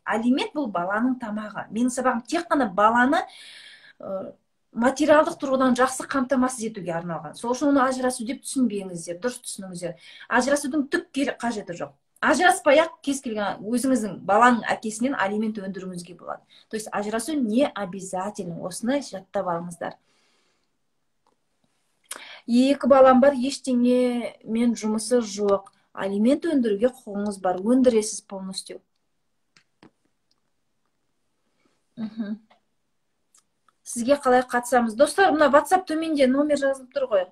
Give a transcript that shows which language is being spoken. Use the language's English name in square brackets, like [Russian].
[Kazakh] Алимент бұл баланың тамағы. Менің сабағым тек қана баланы материалдық тұрғыдан жақсы қамтамасыз етуге арналған. Сол үшін оны ажырасу деп түсінбеңіздер, дұрыс түсініңіздер. Ажырасудың түк қажеті жоқ. Ажыраспай-ақ кез келген өзіңіздің баланың әкесінен алимент өндіруіңізге болады. [Russian] То есть [Kazakh] ажырасу [Russian] не обязательно. [Kazakh] Осыны жаттап алыңыздар. Екі балам бар, ештеңе мен жұмысы жоқ. Алимент өндіруге құқығыңыз бар, өндіресіз [Russian] полностью. [Kazakh] Сізге қалай қатысамыз? Достар, мына WhatsApp төменде номер жазылып тұр ғой.